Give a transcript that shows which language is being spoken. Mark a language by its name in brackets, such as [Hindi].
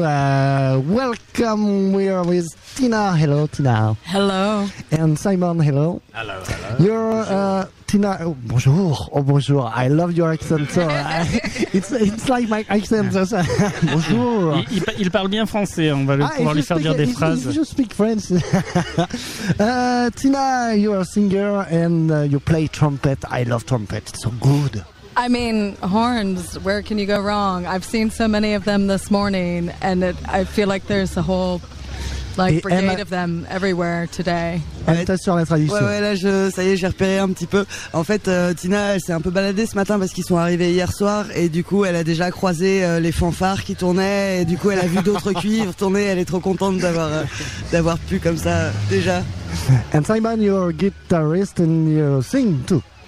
[English] Welcome, we are with Tina. Hello, Tina. Hello. And Simon, hello. Hello, hello. You're Tina. [French] Oh, bonjour. Oh, bonjour. [English] I love your accent. it's like my accent. Bonjour. [French] Il parle bien français. On va pouvoir lui faire dire des phrases. [English] If you speak French. Tina, you're a singer and you play trumpet. I love trumpet. It's so good. I mean, horns, where can you go wrong? I've seen so many of them this morning and I feel like there's a whole... Like et brigade of them everywhere today. [French] Elle est sur la tradition. Ouais, là, j'ai repéré un petit peu. En fait, Tina, elle s'est un peu baladée ce matin parce qu'ils sont arrivés hier soir et du coup, elle a déjà croisé les fanfares qui tournaient et du coup, elle a vu d'autres cuivres tourner. Elle est trop contente d'avoir pu comme ça déjà. [English] And Simon, you're a guitarist and you sing too.